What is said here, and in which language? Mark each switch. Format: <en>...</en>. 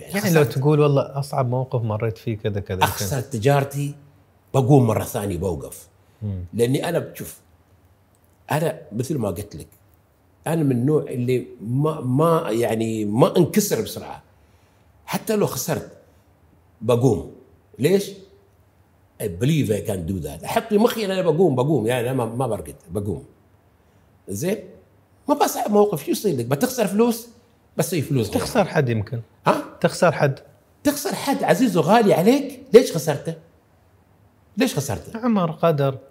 <ar>يعني لو تقول والله أصعب موقف مريت فيه كذا كذا، أخسر تجارتي بقوم مرة ثانية بوقف. لأني أنا بشوف أنا مثل ما قلت لك أنا من النوع اللي ما يعني ما انكسر بسرعة، حتى لو خسرت بقوم. ليش؟</ar> <en>I believe I can do that.</en> <ar>أحط لي مخي أنا بقوم يعني أنا ما برقد بقوم. زين ما بصعب موقف، شو يصير لك؟ بتخسر فلوس بس هي فلوس تخسر غير. حد يمكن ها؟ تخسر حد عزيز وغالي عليك. ليش خسرته؟ عمر قدر</ar>